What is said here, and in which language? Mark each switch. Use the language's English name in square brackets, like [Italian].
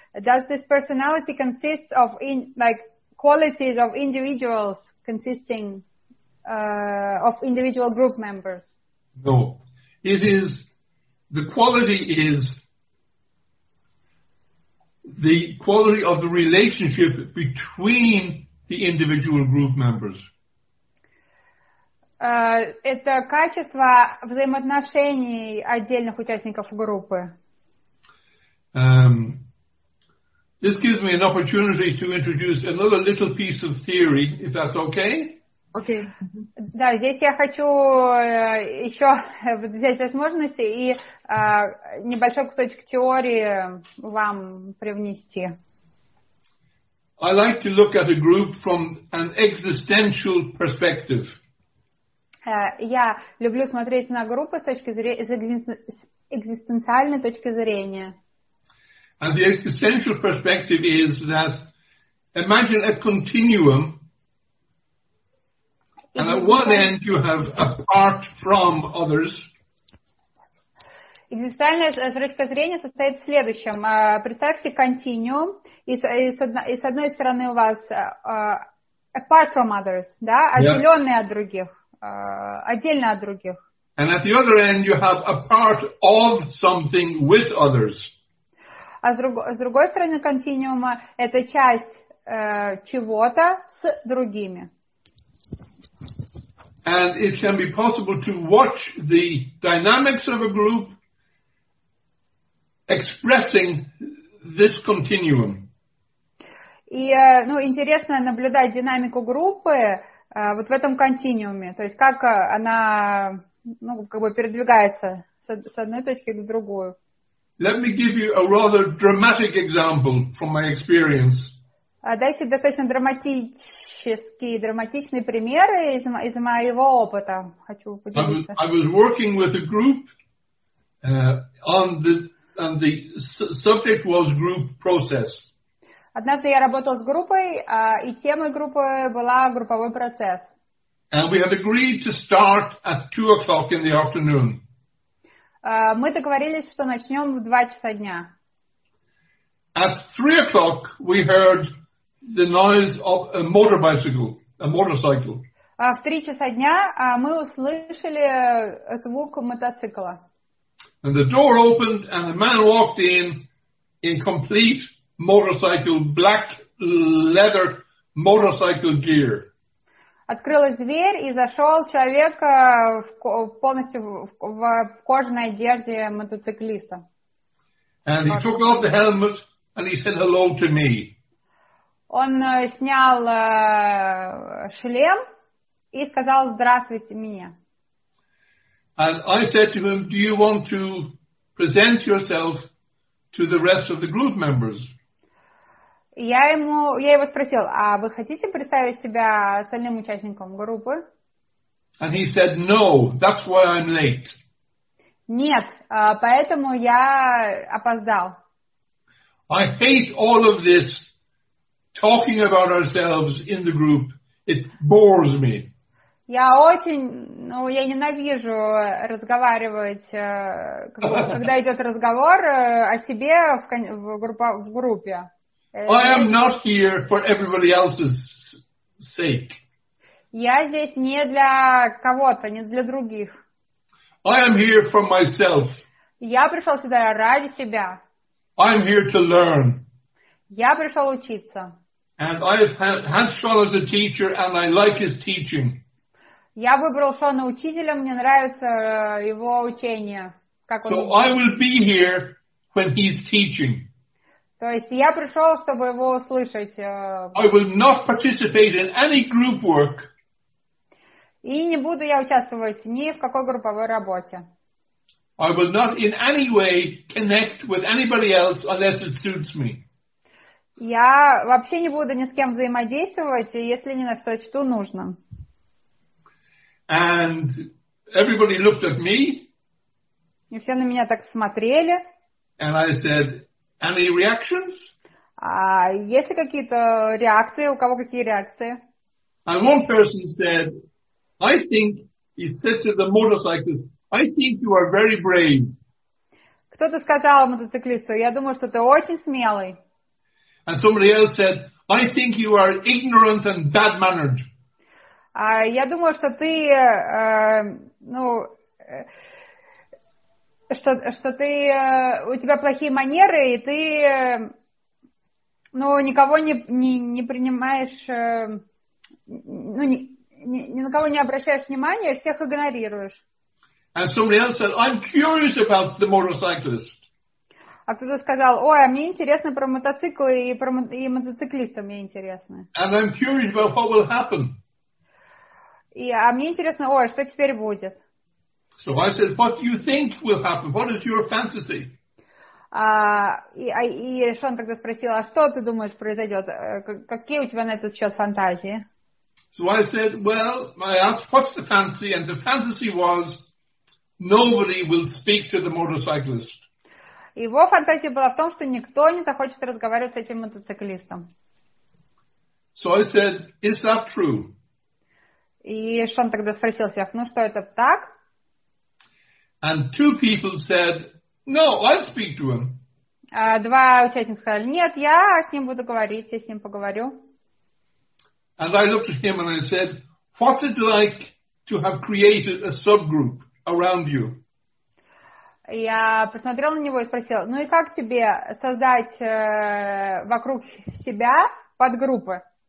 [English] Does this personality consist of qualities of individuals consisting of individual group members? No, the quality of the relationship between the individual group members. [Russian] Это качество взаимоотношений отдельных участников группы. [English] This gives me an opportunity to introduce another little piece of theory, if that's okay. Okay. [Russian] Да, здесь я хочу еще взять возможности и небольшой кусочек теории вам привнести. [English] I like to look at a group from an existential perspective. [Russian] Я люблю смотреть на группы с точки зрения экзистенциальной точки зрения. [English] And the existential perspective is that imagine a continuum, and at one end you have apart from others. [Russian] Экзистенциальная точка зрения состоит в следующем. Представьте континуум, и с одной стороны у вас [English] apart from others, [Russian] да, отделенные от других. Отдельно от других. [English] And at the other end you have a part of something with others. [Russian] А с другой стороны континуума это часть чего-то с другими. [English] And it can be possible to watch the dynamics of a group expressing this continuum. [Russian] И интересно наблюдать динамику группы вот в этом континууме, то есть как она, передвигается с одной точки к другую. [English] Let me give you a rather dramatic example from my experience. [Russian] Дайте достаточно драматичный пример из моего опыта. Хочу поделиться. [English] I was working with a group on the subject was group process. [Russian] Однажды я работал с группой, и темой группы была групповой процесс. [English] And we had agreed to start at 2:00 in the afternoon. [Russian] Мы договорились, что начнем в 2:00 дня. [English] At 3:00 we heard the noise of a motorcycle. [Russian] В 3:00 дня мы услышали звук мотоцикла. [English] And the door opened and a man walked in complete motorcycle, black leather motorcycle gear. [Russian] Открылась дверь, и зашел человек полностью в кожаной одежде мотоциклиста. [English] And he took off the helmet and he said hello to me. [Russian] Он снял шлем и сказал здравствуйте мне. [English] And I said to him, do you want to present yourself to the rest of the group members? [Russian] Я его спросил, а вы хотите представить себя остальным участникам группы? [English] And he said, no, that's why I'm late. [Russian] Нет, поэтому я опоздал. [English] I hate all of this talking about ourselves in the group. It bores me. [Russian] Я ненавижу разговаривать, когда идет разговор о себе в группе. [English] I am not here for everybody else's sake. [Russian] Я здесь не для кого-то, не для других. [English] I am here for myself. [Russian] Я пришел сюда ради себя. [English] I'm here to learn. [Russian] Я пришел учиться. [English] And I have had Sean as a teacher, and I like his teaching. [Russian] Я выбрал Шона учителя, мне нравится его учение. Как [English] so [Russian] он... [English] I will be here when he's teaching. [Russian] То есть я пришел, чтобы его услышать. [English] I will not participate in any group work. [Russian] И не буду я участвовать ни в какой групповой работе. [English] I will not in any way connect with anybody else unless it suits me. [Russian] Я вообще не буду ни с кем взаимодействовать, если не сочту нужным. [English] And everybody looked at me. [Russian] И все на меня так смотрели. [English] And I said, any reactions? [Russian] А есть ли какие-то реакции? У кого какие реакции? [English] And one person said, I think, he said to the motorcyclist, I think you are very brave. [Russian] Кто-то сказал мотоциклисту, я думаю, что ты очень смелый. [English] And somebody else said, I think you are ignorant and bad-mannered. [Russian] Я думаю, что ты, у тебя плохие манеры, и ты, никого не принимаешь, ни на кого не обращаешь внимания, всех игнорируешь. [English] And somebody else said, I'm curious about the motorcyclist. [Russian] А кто-то сказал, ой, а мне интересно про мотоциклы, и мотоциклистам мне интересно. [English] And I'm curious about what will happen. [Russian] А мне интересно, ой, что теперь будет? [English] So I said, what do you think will happen? What is your fantasy? [Russian] И Шон тогда спросил, а что ты думаешь произойдет? Какие у тебя на этот счет фантазии? [English] So I said, well, I asked, what's the fantasy? And the fantasy was, nobody will speak to the motorcyclist. [Russian] Его фантазия была в том, что никто не захочет разговаривать с этим мотоциклистом. [English] So I said, is that true? [Russian] И Шон тогда спросил всех, ну что, это так? [English] And two people said, no, I'll speak to him. [Russian] Два участника сказали, нет, я с ним буду говорить, я с ним поговорю. [English] And I looked at him and I said, what's it like to have created a subgroup around you? [Russian] Я посмотрела на него и спросила, ну и как тебе создать вокруг себя подгруппы?